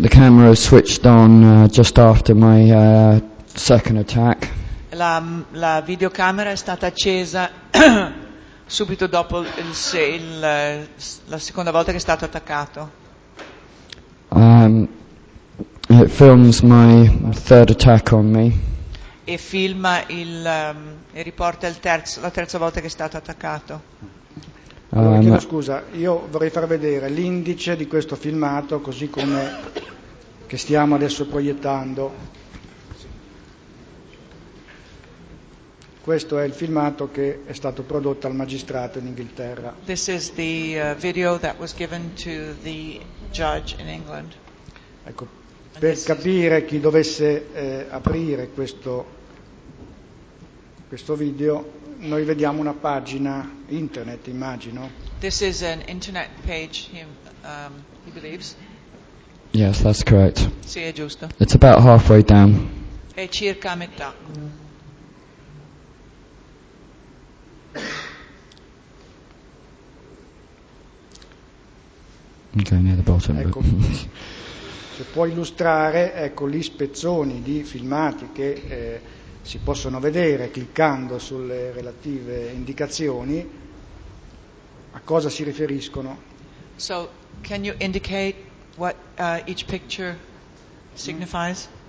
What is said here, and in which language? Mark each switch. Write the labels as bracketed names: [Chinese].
[English] The camera is switched on just after my second attack. [Italian] La videocamera è stata accesa subito dopo la seconda volta che è stato attaccato. [English] It films my third attack on me. [Italian] E filma il e riporta la terza volta che è stato attaccato. Allora, chiedo scusa, io vorrei far vedere l'indice di questo filmato, così come che stiamo adesso proiettando. Questo è il filmato che è stato prodotto al magistrato in Inghilterra. [English] This is the video that was given to the judge in England. [Italian] Ecco, per capire chi dovesse aprire questo video, noi vediamo una pagina internet, immagino. [English] This is an internet page, he believes. Yes, that's correct. [Italian] Sì, è giusto. [English] It's about halfway down. [Italian] È circa a metà. [English] Okay, near the bottom. [Italian] Ecco. Se può illustrare, ecco, gli spezzoni di filmati che si possono vedere cliccando sulle relative indicazioni, a cosa si riferiscono. [English] So, can you indicate what each picture signifies?